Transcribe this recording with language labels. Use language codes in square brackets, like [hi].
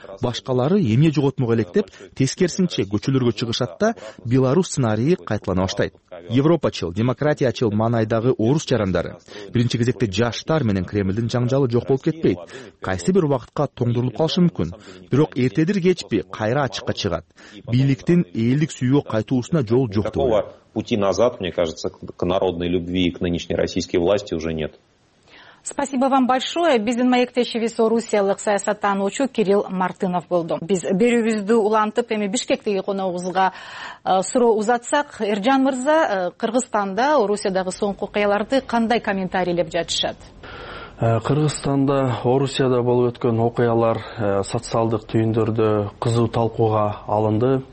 [ky] Башкалары эмне жоготмого электеп, тескерисинче көчөлөргө чыгышат да Беларусь сценарийи кайталана баштайт. Европачыл, демократиячыл маанайдагы орус жарандары, биринчи кезекте жаштар менен Кремлдин жаңжалы жок болуп кетпейт. Кайсы бир убакытка тоңдурулуп калышы мүмкүн, бирок эртедир кечпи кайра ачыкка чыгат. Бийликтин элдик сүйүүгө кайтуусуна жол жок деп ойлойм. [ru] Пути назад, мне кажется, к народной любви и к нынешней российской власти уже нет. Спасибо вам большое. [ky] Биздин маектеши Висо Русиялык саясаттануучу Кирилл Мартынов болду. Биз берүүбүздү улантып эми Бишкектеги коногубузга суроо узатсак, Эржан мырза, Кыргызстанда Орусиядагы соңку окуяларды кандай комментарийлеп жатышат? Кыргызстанда Орусияда болуп өткөн окуялар социалдык түйүндөрдө кызуу талкууга алынды.